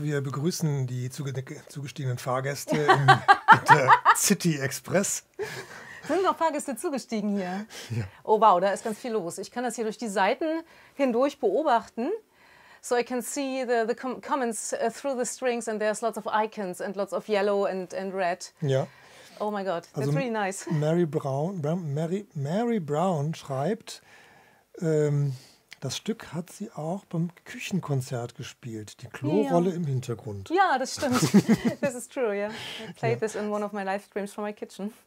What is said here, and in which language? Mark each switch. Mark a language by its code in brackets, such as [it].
[de] Wir begrüßen die zugestiegenen Fahrgäste in der City Express. Sind noch Fahrgäste zugestiegen hier? Ja. Oh wow, da ist ganz viel los. Ich kann das hier durch die Seiten hindurch beobachten. [en] So I can see the comments through the strings and there's lots of icons and lots of yellow and red. [de] Ja. [en] Oh my God, that's also really nice. [de] Mary Brown schreibt, das Stück hat sie auch beim Küchenkonzert gespielt. Die Klorolle im Hintergrund. Ja, das stimmt. [en] This is true, yeah. I played this in one of my live streams from my kitchen.